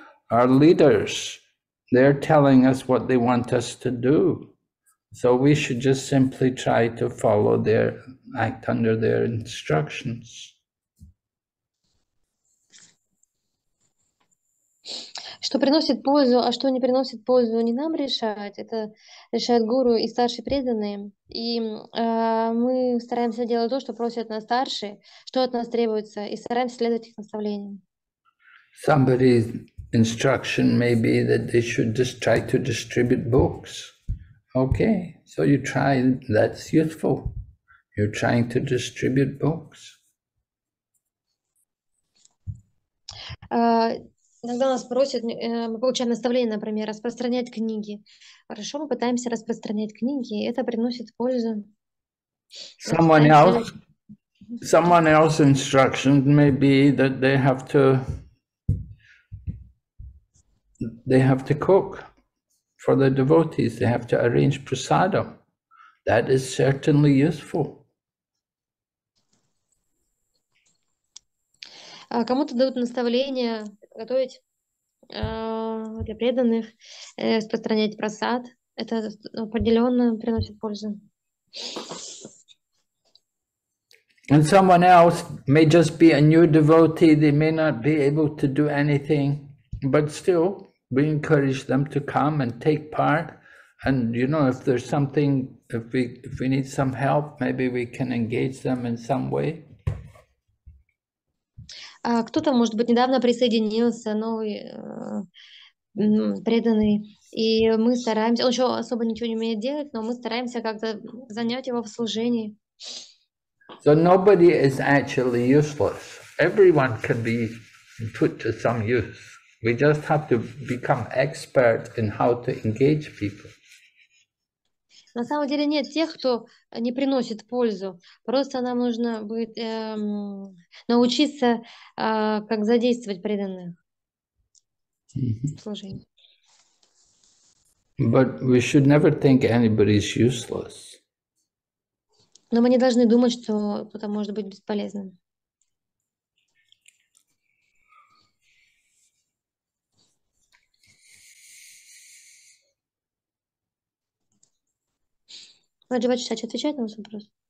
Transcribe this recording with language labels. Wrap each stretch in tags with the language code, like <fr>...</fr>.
<en>Our leaders, they're telling us what they want us to do. So we should just simply try to follow their, act under their instructions.</en> <ru>Что приносит пользу, а что не приносит пользу, не нам решать. Это решают гуру и старшие преданные. И мы стараемся делать то, что просят нас старшие, что от нас требуется, и стараемся следовать их наставлениям.</ru> <en>Somebody's instruction may be that they should just try to distribute books. Okay, so you try, that's useful. You're trying to distribute books?</en> <ru>Иногда нас просят, мы получаем наставление, например, распространять книги. Хорошо, мы пытаемся распространять книги, и это приносит пользу.</ru> <en>Someone else instruction may be that they have to cook for the devotees. They have to arrange prasadam. That is certainly useful.</en> <ru>Кому-то дают наставление готовить для преданных, распространять просад. Это определенно приносит пользу.</ru> <en>And someone else may just be a new devotee. They may not be able to do anything, but still we encourage them to come and take part. And you know, if there's something, if we need some help, maybe we can engage them in some way.</en> <ru>Кто-то, может быть, недавно присоединился, новый преданный, и мы стараемся, он еще особо ничего не умеет делать, но мы стараемся как-то занять его в служении.</ru> <en>So nobody is actually useless. Everyone can be put to some use. We just have to become expert in how to engage people.</en> <ru>На самом деле нет тех, кто не приносит пользу. Просто нам нужно будет научиться, как задействовать преданных в служении.</ru> <en>But we should never think anybody is useless.</en> <ru>Но мы не должны думать, что кто-то может быть бесполезным. Ладжи-вачи-сачи, отвечает на ваш вопрос?</ru>